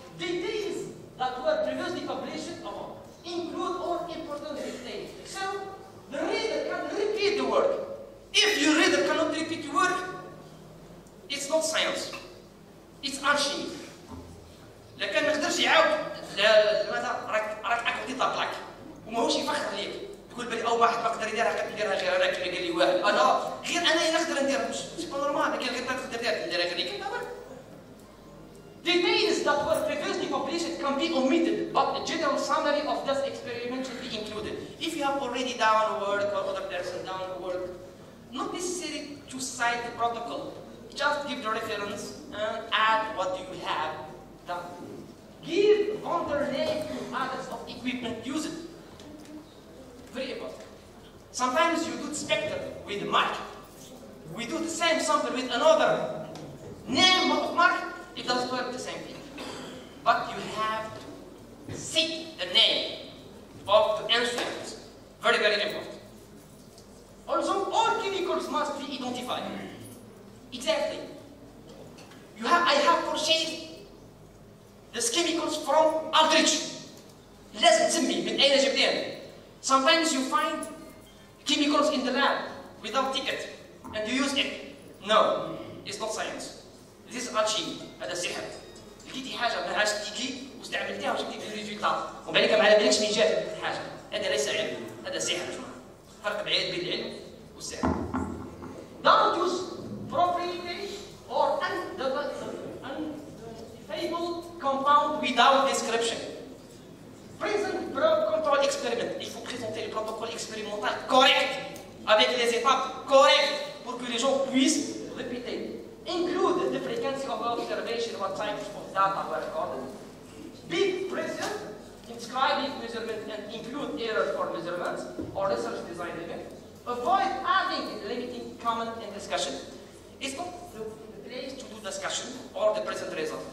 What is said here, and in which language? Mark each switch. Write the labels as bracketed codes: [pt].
[en] details that were previously published include all important details. So, the reader can repeat the work. If your reader cannot repeat the work, it's not science. It's archive. [ar] لكن ما قدرش يعاود لماذا راك عقدي طاطاك وماهوش يفخر عليك يقول بلي او واحد ما قدر يديرها قد يديرها غير انا كما قال لي واحد انا غير انا اللي نقدر ندير مش سي با نورمال لكن غير انت تقدر تديرها غير انت [en] Details that were previously published can be omitted, but a general summary of this experiment should be included. If you have already done work or other person done work, not necessary to cite the protocol. Just give the reference and add what you have done. Give under name to others of equipment used. Very important. Sometimes you do spectrum with mark. We do the same sample with another name of mark. It doesn't work the same thing. But you have to see the name of the instrument. Very, very important. Also, all chemicals must be identified. Exactly. I have purchased these chemicals from Aldrich. Listen to me, with ANGPN. Sometimes you find chemicals in the lab without ticket and you use it. No, it's not science. This is archive. [ar] هذا سحر لقيتي حاجه ما عادش تيجي واستعملتها وجبتي في الريزولتا ومن بعد ما على بالكش من جات حاجه هذا ليس علم هذا سحر جماعه فرق بعيد بين العلم والسحر [en] Don't use proprietary or undefinable compound without description present protocol experiment [fr] il faut présenter le protocole expérimental correct avec les étapes correctes pour que les gens puissent répéter [en] Include the frequency of observation, what types of data were recorded. Be present, inscribe each measurement and include errors for measurements or research design event. Avoid adding limiting comment and discussion. It's not the place to do discussion or the present result.